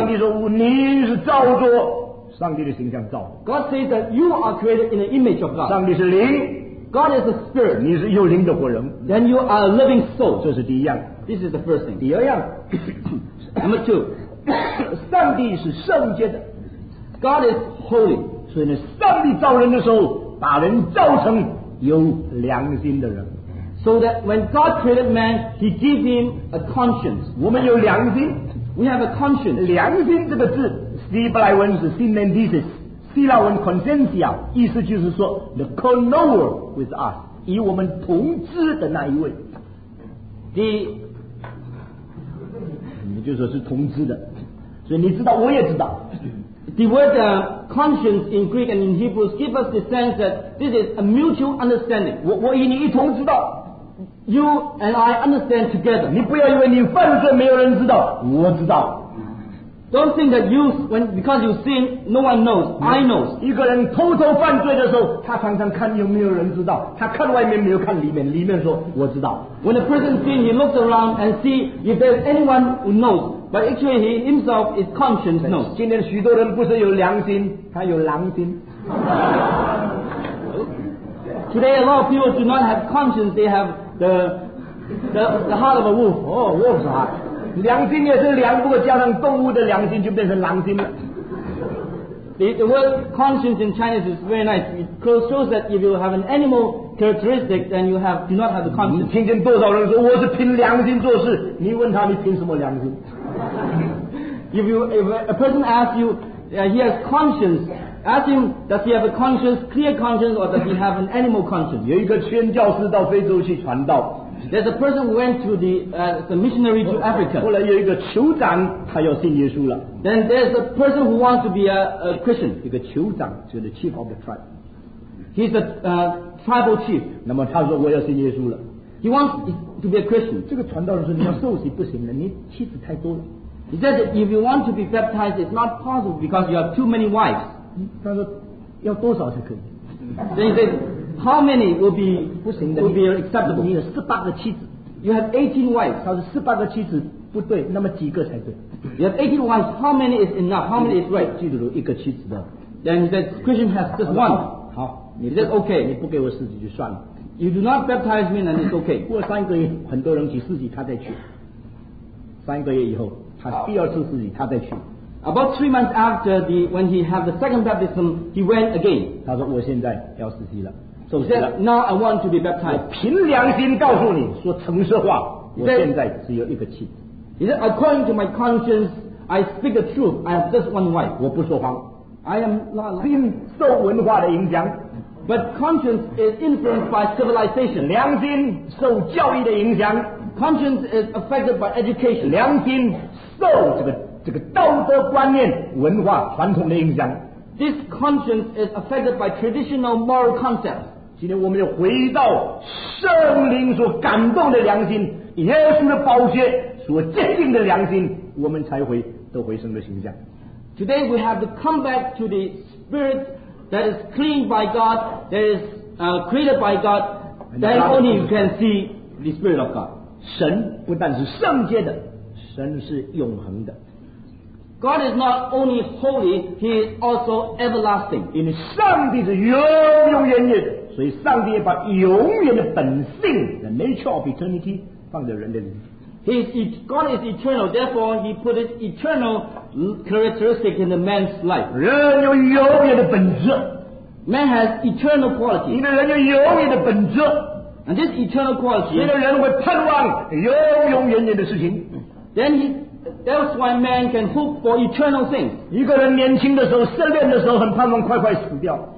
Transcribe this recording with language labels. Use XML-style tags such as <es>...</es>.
<zh>上帝说，你是造作上帝的形象造。</zh> <en>God says that you are created in the image of God.</en> <zh>上帝是灵。</zh> <en>God is a spirit.</en> <zh>你是有灵的活人。</zh> <en>Then you are a living soul.</en> <zh>这是第一样。</zh> <en>This is the first thing.</en> <zh>第二样。</zh> <en>Number two,</en> <zh>上帝是圣洁的。</zh> <en>God is holy.</en> <zh>所以呢，上帝造人的时候，把人造成有良心的人。</zh> <en>So that when God created man, he gave him a conscience.</en> <zh>我们有良心。</zh> <en>We have a conscience.</en> <zh>良心这个字，希伯来文是 synenthesis， 希腊文 conscientia， 意思就是说</zh> <en>the co-knower with us，</en> <zh>与我们同知的那一位。就是说是同知的，所以你知道，我也知道。</zh> <en>The word conscience in Greek and in Hebrew give us the sense that this is a mutual understanding.</en> <zh>我与你一同知道。</zh> <en>You and I understand together.</en> <zh>你不要以为你犯罪没有人知道，我知道。</zh> <en>Don't think that because you sin, no one knows. I know.</en> <zh>一个人偷偷犯罪的时候，他常常看有没有人知道。他看外面没有看里面，里面说我知道。</zh> <en>When a person sins, he looks around and see if there's anyone who knows. But actually, he himself is conscience knows.</en> <zh>今天许多人不是有良心，他有狼心。</zh> <en>Today, a lot of people do not have conscience. They have the heart of a wolf. Oh, wolf's heart.</en> <zh>良心也是良，不过加上动物的良心就变成狼心了。</zh> <en>The word conscience in Chinese is very nice. It shows that if you have an animal characteristic, then you do not have the conscience.</en> <zh>你听见多少人说我是凭良心做事？你问他你凭什么良心？</zh> <en>if a person asks you, he has conscience. Ask him, does he have a conscience, clear conscience, or does he have an animal conscience?</en> <zh>有一个宣教士到非洲去传道。</zh> <en>There's a person who went to the missionary to Africa.</en> <zh>后来有一个酋长，他要信耶稣了。</zh> <en>Then there's a person who wants to be a Christian.</en> <zh>一个酋长，就是</zh> <en>chief of the tribe. He's a tribal chief.</en> <zh>那么他说我要信耶稣了。</zh> <en>He wants to be a Christian.</en> <zh>这个传道人说你要受洗不行了，你妻子太多了。</zh> <en>He said that if you want to be baptized, it's not possible because you have too many wives.</en> <zh>他说要多少才可以？</zh> <en>Then he said. How many will be acceptable?</en> <zh>你有十八个妻子。</zh> <en>You have 18 wives.</en> <zh>他说十八个妻子不对，那么几个才对。</zh> <en>You have 18 wives. How many is enough? How many is right?</en> <zh>记住了，一个妻子的。</zh> <en>Then he said, Christian has just one.</en> <zh>好，你这 OK，你不给我四级就算了。</zh> <en>You do not baptize me, then it's OK。</en> <zh>过三个月，很多人去四级，他再去。三个月以后，他第二次四级，他再去。</zh> <en>About 3 months after the when he had the second baptism, he went again。</en> <zh>他说我现在要四级了，受洗了。</zh> <en>Now I want to be baptized。</en> <zh>我凭良心告诉你说诚实话，我现在只有一个妻。</zh> <en>He said, according to my conscience, I speak the truth. I have just one wife.</en> <zh>我不说谎。</zh> <en>I am not lying.</en> <zh>心受文化的影响。</zh> <en>But conscience is influenced by civilization.</en> <zh>良心受教育的影响。</zh> <en>Conscience is affected by education.</en> <zh>良心受这个道德观念、文化传统的影响。</zh> <en>This conscience is affected by traditional moral concepts.</en> <zh>今天我们要回到圣灵所感动的良心，耶稣的宝血所坚定的良心，我们才会得回神的形象。</zh> <en>Today we have to come back to the spirit that is clean by God, that is created by God. Then only you can see the spirit of God.</en> <zh>神不但是圣洁的，神是永恒的。</zh> <en>God is not only holy, He is also everlasting.</en> <zh>因为上帝是永永远远的，所以上帝也把永远的本性 ，</zh> <en>the nature of eternity，</en> <zh>放在人的里面。</zh> <en>God is eternal, therefore he put his eternal characteristic in the man's life.</en> <zh>人有永远的本质。</zh> <en>Man has eternal quality.</en> <zh>因为人有永远的本质。</zh> <en>And this eternal quality.</en> <zh>因为人会盼望永永远远的事情。</zh> <en>That's why man can hope for eternal things.</en> <zh>一个人年轻的时候，失恋的时候，很盼望快快死掉。</zh>